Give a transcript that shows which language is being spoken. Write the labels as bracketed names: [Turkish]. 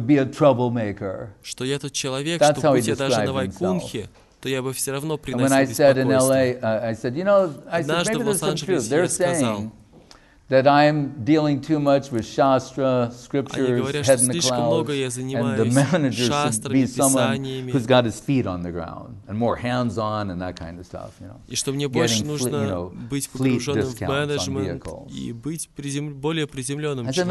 [Russian] что я тот человек, что будь я даже на Вайкунхе, то я бы все равно приносил беспокойство. [English] And when I said in LA, I said, you know, I said, maybe this is true. They're saying that I'm dealing too much with Shastra, scriptures, head in the clouds, and the manager should be someone who's got his feet on the ground and more hands-on and that kind of stuff, you know. [Russian] И что мне больше нужно быть погруженным в менеджмент и быть более приземленным человеком.